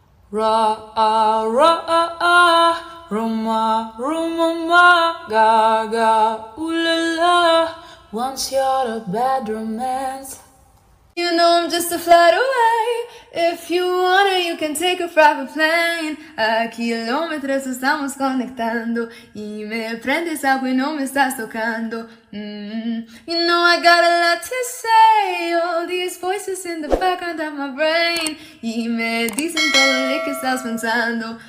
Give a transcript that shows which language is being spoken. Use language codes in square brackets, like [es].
[en] Ra, ra, ruma, ruma, ma, ga, ga, ooh la la. Once you're a bad romance, you know I'm just a flight away. If you wanna, you can take a private plane. [es] A kilómetros estamos conectando. Y me prendes algo y no me estás tocando. [en] You know I got a lot to say. All these voices in the background of my brain. [es] Y me dicen todo lo que estás pensando.